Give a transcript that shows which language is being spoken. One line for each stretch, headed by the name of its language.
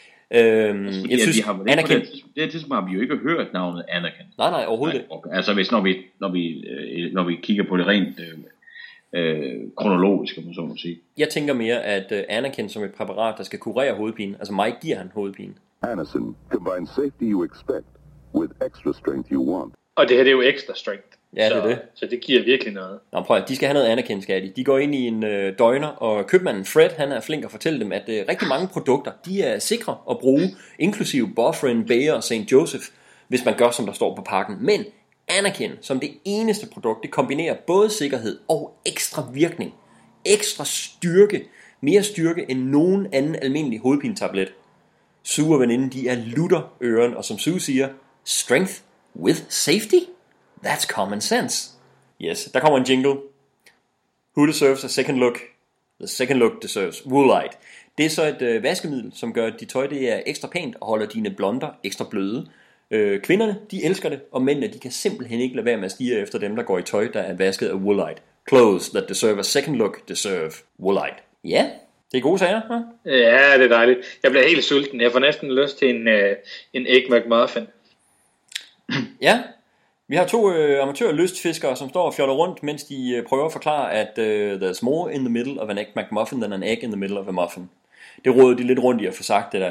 Danish: Jeg synes, har Anakin, det er tidspunkt, har vi jo ikke hørt navnet Anakin. Nej, overhovedet ikke. Okay. Altså, når vi kigger på det rent kronologisk, om man så må sige. Jeg tænker mere, at Anakin som et præparat, der skal kurere hovedpine, altså mig giver han hovedpine.
English: Anakin combine safety you expect with extra strength you want.
Danish: Og det her, det er jo extra strength. Ja, så, det er det. Så det giver virkelig noget. Nå, prøv at, de skal have noget Anakin, skal de. De går ind i en døgner, og købmanden Fred, han er flink at fortælle dem, at rigtig mange produkter, de er sikre at bruge, inklusive Bofrin, Bayer og St. Joseph, hvis man gør, som der står på pakken. Men Anakin, som det eneste produkt, det kombinerer både sikkerhed og ekstra virkning. Ekstra styrke. Mere styrke end nogen anden almindelig hovedpinetablet. Sue og veninde, de er lutter øren, og som Sue siger,
English: strength with safety? That's common sense. Yes,
Danish: der kommer en jingle.
English: Who deserves a second look? The second look deserves Woolite.
Danish: Det er så et vaskemiddel, som gør, at dit tøj det er ekstra pænt og holder dine blonder ekstra bløde. Kvinderne, de elsker det, og mændene, de kan simpelthen ikke lade være med at stige efter dem, der går i tøj, der er vasket af Woolite.
English: Clothes that deserve a second look deserve Woolite.
Danish: Ja, yeah. Det er gode sager, hva'? Ja, det er dejligt. Jeg bliver helt sulten. Jeg får næsten lyst til en Egg McMuffin. Ja. Vi har to amatør lystfiskere, som står og fjoller rundt, mens de prøver at forklare, at
English: there's more in the middle of an Egg McMuffin than an egg in the middle of a muffin.
Danish: Det råder de lidt rundt i at få sagt det der.